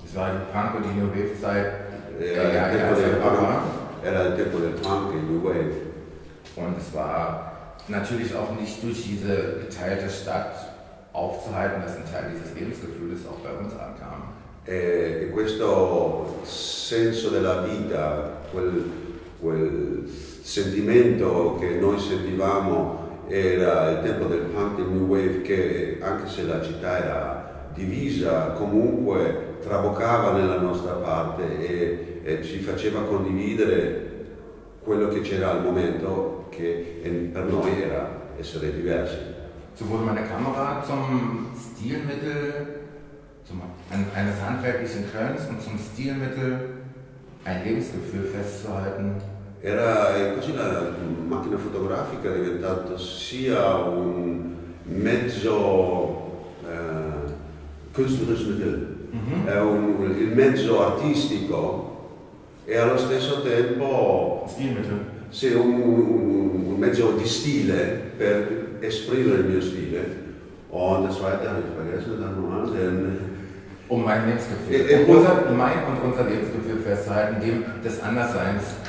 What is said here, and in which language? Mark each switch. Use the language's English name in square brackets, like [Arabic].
[German] Es war die Punk- und die New Wave-Zeit. [Italian] Era il tempo del Punk e New Wave. [German] Und es war natürlich auch nicht durch diese geteilte Stadt aufzuhalten, dass ein Teil dieses Lebensgefühls auch bei uns ankam. [Italian] E questo senso della vita, quel sentimento che noi sentivamo era il tempo del punk e new wave, che anche se la città era divisa comunque traboccava nella nostra parte e ci faceva condividere quello che c'era al momento, che per noi era essere diversi. [German] So wurde meine Kamera zum Stilmittel, eines handwerklichen Könns und zum Stilmittel ein Lebensgefühl festzuhalten. [Italian] Era così la macchina fotografica è diventata sia un mezzo [German] künstlerisches Mittel, [Italian] il mezzo artistico e allo stesso tempo [German] Stilmittel. [Italian] Sì, un mezzo di stile per esprimere il mio stile. [German] Und das war dann, ich vergesse dann mal, denn um mein Lebensgefühl, unser Lebensgefühl festzuhalten, dem des Andersseins.